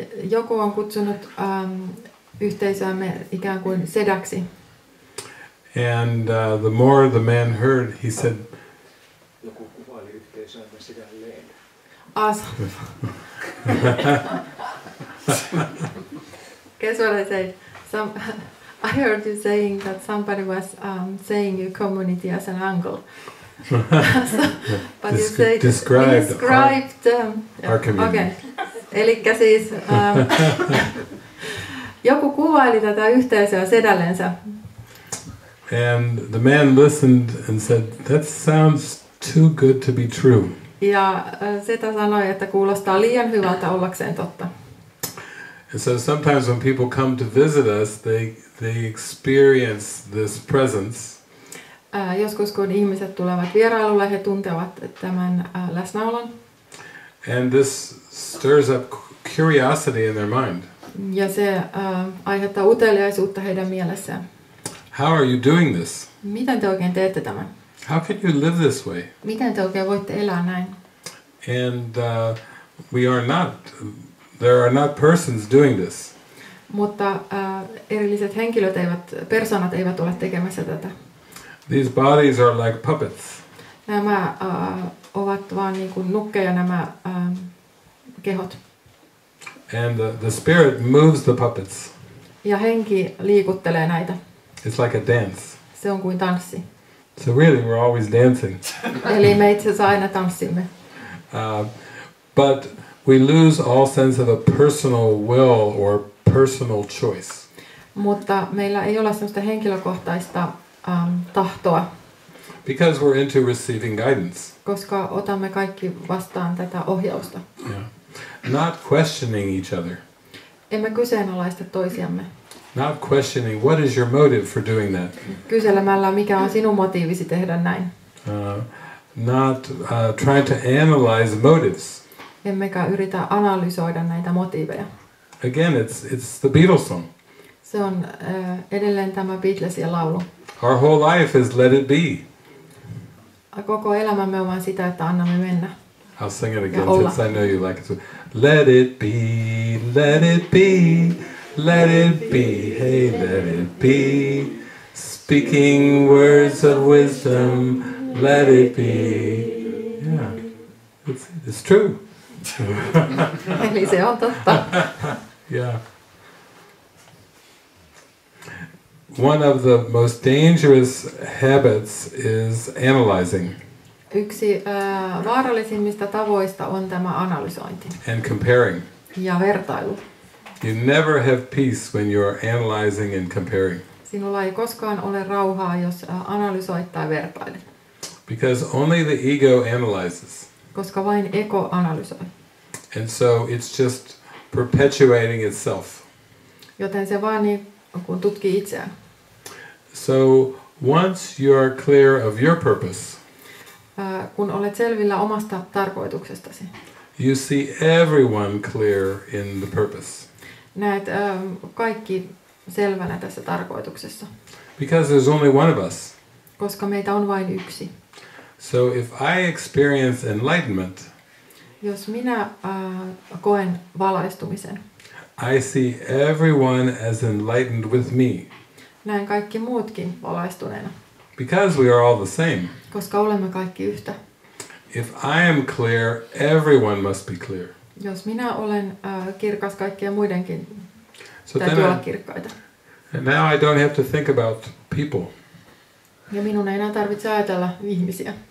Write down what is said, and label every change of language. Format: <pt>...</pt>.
<fi>Joku on kutsunut yhteisöämme ikään kuin sedäksi.</fi> <en>And the more the man heard, he said,</en> <fi>joku kuvaili yhteisöämme sedälleen.</fi> <en>As. Guess what I said? I heard you saying that somebody was saying your community as an uncle. But described our community. Okay.</en> <fi>Elikkä siis joku kuvaili tätä yhteisöä sedällensä.</fi> <en>And the man listened and said, that sounds too good to be true.</en> <fi>Ja setä sanoi, että kuulostaa liian hyvältä ollakseen totta.</fi> <en>And so sometimes when people come to visit us, they experience this presence.</en> <fi>Joskus kun ihmiset tulevat vierailulle, he tuntevat tämän läsnäolon.</fi> <en>And this stirs up curiosity in their mind.</en> <fi>Ja se aiheuttaa uteliaisuutta heidän mielessään.</fi> <en>How are you doing this?</en> <fi>Miten te oikein teette tämän?</fi> <en>How can you live this way?</en> <fi>Miten te oikein voitte elää näin?</fi> <en>And we are not, there are not persons doing this.</en> <fi>Mutta erilliset henkilöt eivät, persoonat eivät ole tekemässä tätä.</fi> <en>These bodies are like puppets.</en> <fi>Nämä ovat vaan niin kuin nukkeja nämä kehot.</fi> <en>And the spirit moves the puppets.</en> <fi>Ja henki liikuttelee näitä.</fi> <en>It's like a dance.</en> <fi>Se on kuin tanssi.</fi> <en>So really we're always dancing.</en> <fi>Eli me itse asiassa aina tanssimme.</fi> <en>But we lose all sense of a personal will or personal choice.</en> <fi>Mutta meillä ei ole semmoista henkilökohtaista tahtoa.</fi> <en>Because we're into receiving guidance.</en> <fi>Koska otamme kaikki vastaan tätä ohjausta.</fi> <en>Yeah. Not questioning each other.</en> <fi>Emme kyseenalaista toisiamme.</fi> <en>Not questioning what is your motive for doing that.</en> <fi>Kyselemällä mikä on sinun motiivisi tehdä näin.</fi> <en>Not trying to analyze motives.</en> <fi>Emmekä yritä analysoida näitä motiiveja.</fi> <en>Again, it's the Beatles song.</en> <fi>Se on edelleen tämä Beatlesien laulu.</fi> <en>Our whole life is let it be.</en> <fi>Koko elämämme on vaan sitä, että annamme mennä.</fi> <en>I'll sing it again since I know you like it. Let it be, let it be, let it be, hey, let it be. Speaking words of wisdom, let it be. Yeah, it's true.</en> <fi>Eli se on totta.</fi> <en>Yeah. One of the most dangerous habits is analyzing.</en> <fi>Yksi vaarallisimmista tavoista on tämä analysointi.</fi> <en>And comparing.</en> <fi>Ja vertailu.</fi> <en>You never have peace when you are analyzing and comparing.</en> <fi>Sinulla ei koskaan ole rauhaa, jos analysoit tai vertailet.</fi> <en>Because only the ego analyzes.</en> <fi>Koska vain ego analysoi.</fi> <en>And so it's just perpetuating itself.</en> <fi>Joten se vaan niin kuin tutkii itseään.</fi> <en>So once you are clear of your purpose.</en> <fi>Kun olet selvillä omasta tarkoituksestasi.</fi> <en>You see everyone clear in the purpose.</en> <fi>Näet kaikki selvänä tässä tarkoituksessa.</fi> <en>Because there's only one of us.</en> <fi>Koska meitä on vain yksi.</fi> <en>So if I experience enlightenment.</en> <fi>Jos minä koen valaistumisen.</fi> <en>I see everyone as enlightened with me.</en> <fi>Näen kaikki muutkin valaistuneena.</fi> <en>Because we are all the same.</en> <fi>Koska olemme kaikki yhtä.</fi> <en>If I am clear, everyone must be clear.</en> <fi>Jos minä olen kirkas kaikkien muidenkin, täytyy olla kirkkaita.</fi> <en>And now I don't have to think about people.</en> <fi>Ja minun ei enää tarvitse ajatella ihmisiä.</fi>